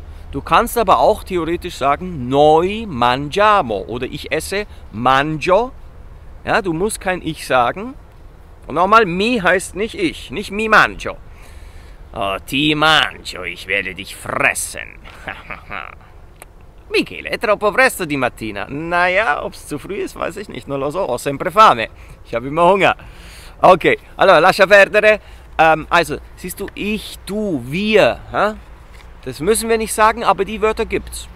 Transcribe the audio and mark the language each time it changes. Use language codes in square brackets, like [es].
[de] Du kannst aber auch theoretisch sagen, [it] noi mangiamo. [de] Oder ich esse mangio. Ja, du musst kein ich sagen. Und nochmal, mi heißt nicht ich, nicht mi mangio. Oh, [it] ti mangio, [de] ich werde dich fressen. [it] Michele, è troppo presto di mattina. [de] Naja, ob es zu früh ist, weiß ich nicht. [it] Non lo so, ho sempre fame. [de] Ich habe immer Hunger. Okay, [it] allora, lascia perdere. [de] Also, siehst du, ich, du, wir. Ha? Das müssen wir nicht sagen, aber die Wörter gibt's.